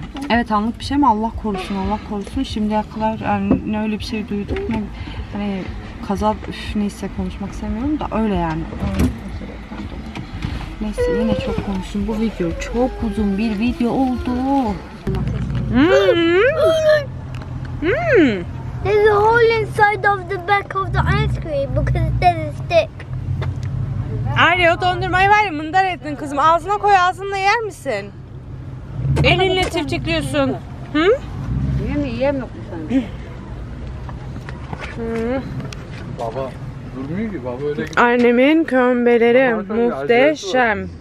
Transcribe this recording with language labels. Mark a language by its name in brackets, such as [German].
[Turkish] Evet, anlık bir şey ama Allah korusun, Allah korusun. Şimdiye kadar hani öyle bir şey duyduk mu? Hani kaza, üf, neyse konuşmak istemiyorum da öyle yani. Neyse, yine çok konuşun. Bu video çok uzun bir video oldu. [English] There's a hole inside of the back of the ice cream because it doesn't stick. [Turkish] Aryo, dondurmayı ver ya, mındar ettin kızım. Ağzına koy, ağzınla yer misin? Elinle çipçikliyorsun. Baba, durmuyor ki baba öyle. Annemin kömbeleri muhteşem.